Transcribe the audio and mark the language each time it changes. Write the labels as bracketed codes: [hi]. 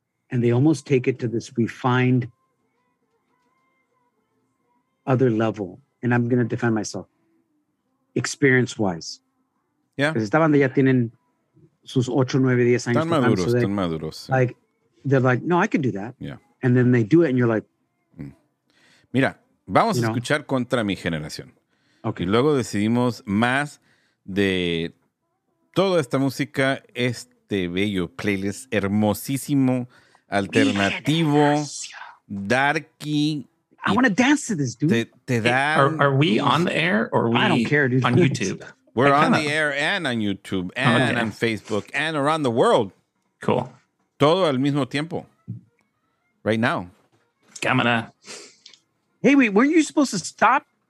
[en] And they almost take it to this refined other level. And I'm going to defend myself experience-wise. Yeah. Because [es] esta banda ya tienen sus 8, 9, 10 años. Están maduros, so están maduros. [en] Like, they're like, no, I can do that. Yeah. And then they do it and you're like. [es] Mira, vamos a escuchar Contra Mi Generación. [en] Okay. [es] Y luego decidimos más de toda esta música, este bello playlist hermosísimo, alternativo, darky. [en] I want to dance to this, dude. Are we on the air or are we on YouTube? We're on the air and on YouTube and on Facebook and around the world. Cool. [es] Todo al mismo tiempo. [en] Right now. [es] Cámara. [en] Hey, wait, weren't you supposed to stop?